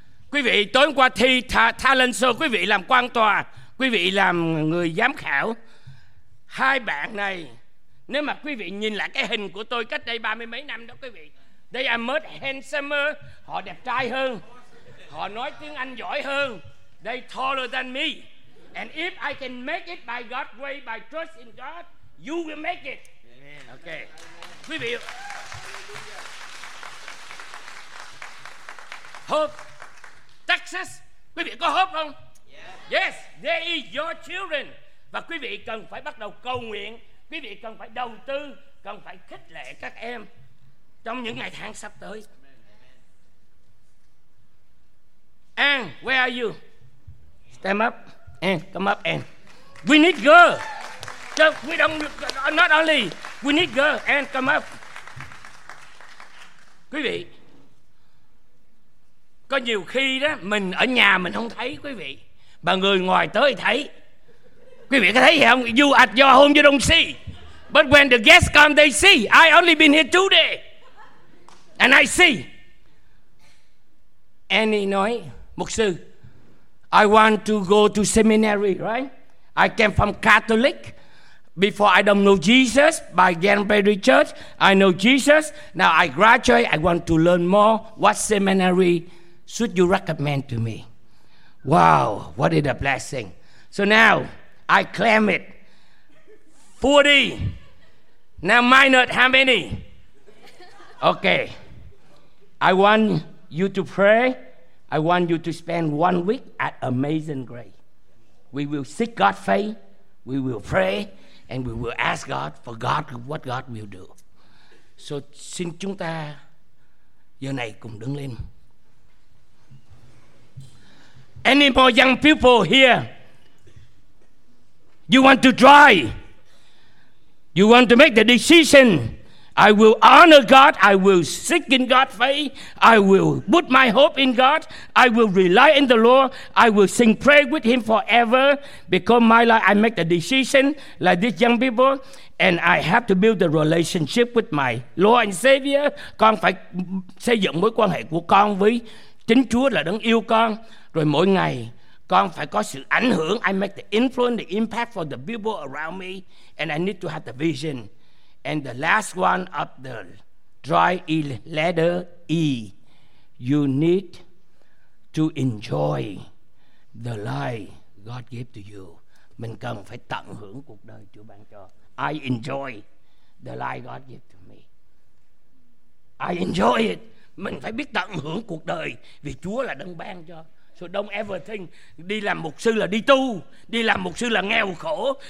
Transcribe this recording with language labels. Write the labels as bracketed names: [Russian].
[Vietnamese] Quý vị, tối qua thi talent show, quý vị làm quan tòa, quý vị làm người giám khảo. Hai bạn này, nếu mà quý vị nhìn lại cái hình của tôi cách đây 30 mấy năm đó quý vị, [English] they are much handsomer, [Vietnamese] họ đẹp trai hơn, họ nói tiếng Anh giỏi hơn, [English] they taller than me. And if I can make it by God's way, by trust in God, you will make it. Amen. Okay. [Vietnamese] Quý vị, hope, Texas, quý vị có hope không? Yeah. [English] Yes, they are your children. [Vietnamese] Và quý vị cần phải bắt đầu cầu nguyện, quý vị cần phải đầu tư, cần phải khích lệ các em trong những ngày tháng sắp tới. [English] Amen. Amen. Anne, where are you? Stand up. Anne, come up, Anne. We need girl. So we don't, not only, we need girl. Anne, come up. [Vietnamese] Quý vị, có nhiều khi đó, mình ở nhà mình không thấy quý vị, mà người ngoài tới thấy. Quý vị có thấy gì không? [English] You at your home, you don't see. But when the guests come, they see. I only been here 2 days. And I see. Annie [Vietnamese] nói, mục sư, [English] I want to go to seminary, right? I came from Catholic. Before I don't know Jesus, by Gambari Church, I know Jesus. Now I graduate, I want to learn more. What seminary should you recommend to me? Wow, what is a blessing. So now, I claim it. 40. Now minus how many? Okay. I want you to pray. I want you to spend 1 week at Amazing Grace. We will seek God's faith. We will pray. And we will ask God for God, what God will do. [Vietnamese] So xin chúng ta giờ này cùng đứng lên. [English] Any more young people here? You want to try? You want to make the decision? I will honor God. I will seek in God's way. I will put my hope in God. I will rely in the Lord. I will sing praise with Him forever. Because my life, I make the decision like these young people, and I have to build the relationship with my Lord and Savior. [Vietnamese] Con phải xây dựng mối quan hệ của con với chính Chúa là đấng yêu con. Rồi mỗi ngày con phải có sự ảnh hưởng. [English] I make the influence, the impact for the people around me, and I need to have the vision. And the last one of the dry letter E, you need to enjoy the life God gave to you. [Vietnamese] Mình cần phải tận hưởng cuộc đời Chúa ban cho. [English] I enjoy the life God gave to me. I enjoy it. [Vietnamese] Mình phải biết tận hưởng cuộc đời vì Chúa là đấng ban cho. [English] So don't ever think [Vietnamese] đi làm mục sư là đi tu, đi làm mục sư là nghèo khổ.